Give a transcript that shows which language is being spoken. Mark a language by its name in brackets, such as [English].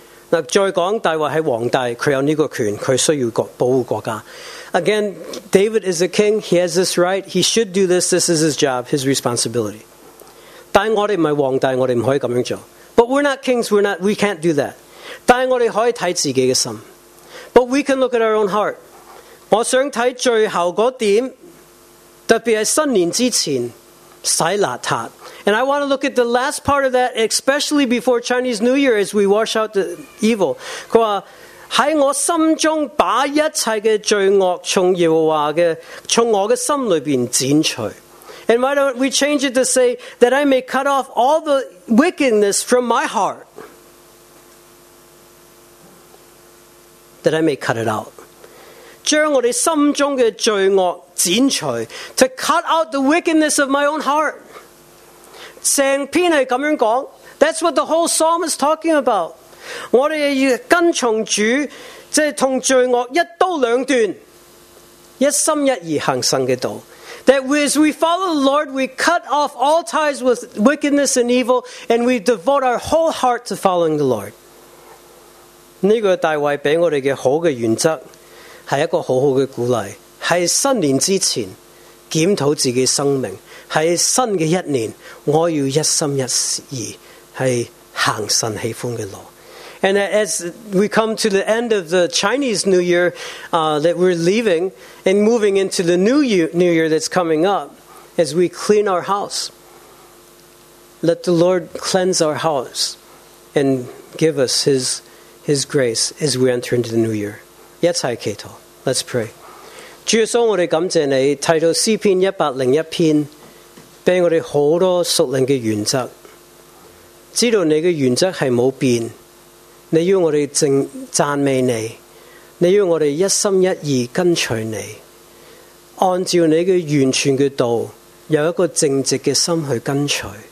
[Chinese] 那再讲大卫是皇帝，他有这个权，他需要保护国家。 [English] Again, David is a king, he has this right, he should do this, this is his job, his responsibility. [Chinese] 但我们不是皇帝，我们不可以这样做。 [English] But we're not kings, we can't do that. [Chinese] 但我们可以看自己的心。 [English] But we can look at our own heart. [Chinese] 我想看最后那点，特别是新年之前，洗邋遢。 [English] And I want to look at the last part of that, especially before Chinese New Year, as we wash out the evil. [Chinese] 他说，在我心中把一切的罪恶从耶和华的，从我的心里面剪除。 [English] And why don't we change it to say that I may cut off all the wickedness from my heart? That I may cut it out. [Chinese] 将我们心中的罪恶剪除， [English] to cut out the wickedness of my own heart. [Chinese] 整篇是这样讲， [English] that's what the whole psalm is talking about. [Chinese] 我们要跟从主，即是同罪恶一刀两断，一心一意行神的道。 [English] That as we follow the Lord, we cut off all ties with wickedness and evil, and we devote our whole heart to following the Lord. [Chinese] 这个大卫给我们的好的原则是一个好好的鼓励，是新年之前检讨自己生命，是新的一年我要一心一意是行神喜欢的路。 [English] And as we come to the end of the Chinese New Year that we're leaving and moving into the New Year that's coming up, as we clean our house, let the Lord cleanse our house and give us His grace as we enter into the New Year. [Chinese] 一切祈祷， [English] let's pray. [Chinese] 主耶稣，我们感谢你，提到诗篇101篇，给我们好多属灵的原则，知道你的原则是没变。你要我们赞美你，你要我们一心一意跟随你，按照你的完全的道，有一个正直的心去跟随。